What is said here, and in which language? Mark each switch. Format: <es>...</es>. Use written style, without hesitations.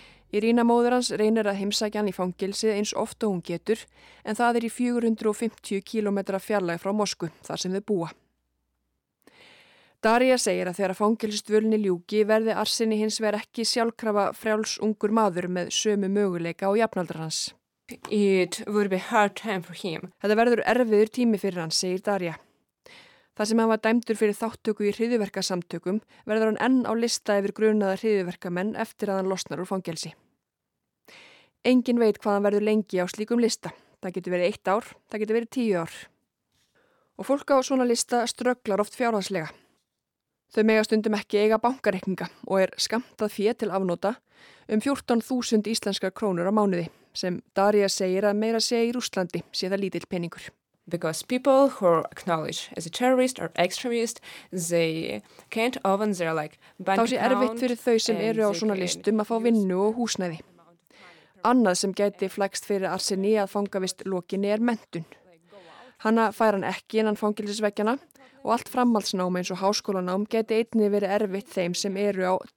<is>Irina móður hans reynir að heimsækja hann í fangelsið eins oft og hún getur, en það í 450 km fjarlægð frá Moskvu, þar sem þau búa. Daria segir að þegar fangelsisdvölinni ljúki verði Arseni hins vegar ekki sjálfkrafa frjáls ungur maður með sömu möguleika og jafnaldrar hans.</is> <en>It would be hard time for him.</en> <is>Þetta verður erfiður tími fyrir hann, segir Daria. Það sem hann var dæmdur fyrir þáttöku í hryðjuverkasamtökum verður hann enn á lista yfir grunaða hryðjuverkamenn eftir að hann losnar úr fangelsi. Engin veit hvað hann verður lengi á slíkum lista. Það getur verið 1 ár, það getur verið 10 ár. Og fólk á svona lista strögglar oft fjárhagslega. Þau mega stundum ekki eiga bankareikninga og skammtað fé til afnota 14.000 íslenskar krónur á mánuði sem Daria segir að meira segja í Rússlandi sé það lítill peningur.</is> <en>Because people who are acknowledged as a terrorist or extremist, they can't open their like bank account.</en> <is>Þá sé erfitt fyrir þau sem eru á svona listum að fá vinnu og húsnæði. Annað sem gæti flækst fyrir Arseni að fangavist lokinni menntun. Hanna fær hann ekki innan fangelsisveggjana og allt framhaldsnám eins og háskólanám geti einnig verið erfitt þeim sem eru á...</is>